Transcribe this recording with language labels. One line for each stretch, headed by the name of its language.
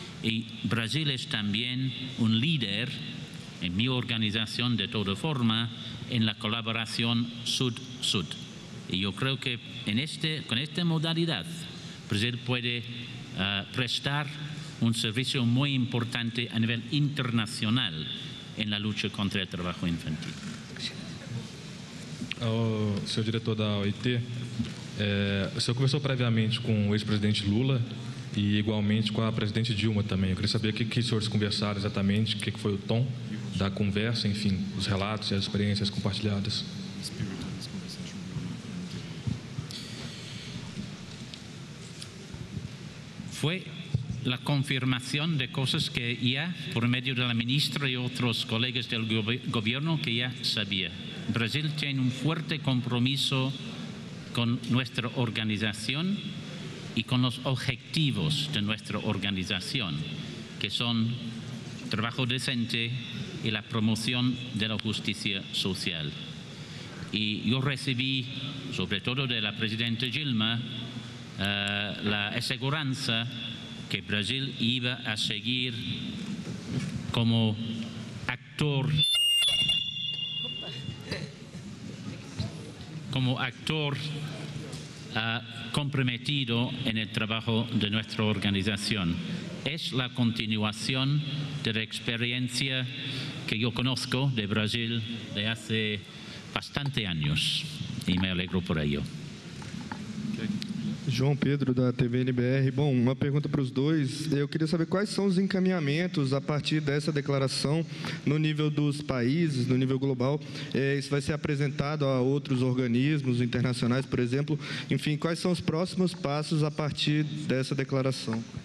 Spanish: Y Brasil es también un líder, en mi organización de toda forma, en la colaboración sud-sud. Y yo creo que con esta modalidad, Brasil puede prestar un servicio muy importante a nivel internacional en la lucha contra el trabajo infantil.
Portuguese: Senhor diretor da OIT, o senhor conversou previamente com o ex-presidente Lula e igualmente com a presidente Dilma também. Eu queria saber o que os senhores conversaram exatamente, o que foi o tom da conversa, enfim, os relatos e as experiências compartilhadas. Foi a confirmação de coisas que já, por meio da ministra e outros colegas do governo, que já sabia.
Spanish: Brasil tiene un fuerte compromiso con nuestra organización y con los objetivos de nuestra organización, que son trabajo decente y la promoción de la justicia social. Y yo recibí, sobre todo de la presidenta Dilma, la aseguranza que Brasil iba a seguir como actor. Como actor comprometido en el trabajo de nuestra organización. Es la continuación de la experiencia que yo conozco de Brasil de hace bastante años y me alegro por ello.
Portuguese: João Pedro, da TVNBR. Bom, uma pergunta para os dois. Eu queria saber quais são os encaminhamentos a partir dessa declaração no nível dos países, no nível global. Isso vai ser apresentado a outros organismos internacionais, por exemplo. Enfim, quais são os próximos passos a partir dessa declaração?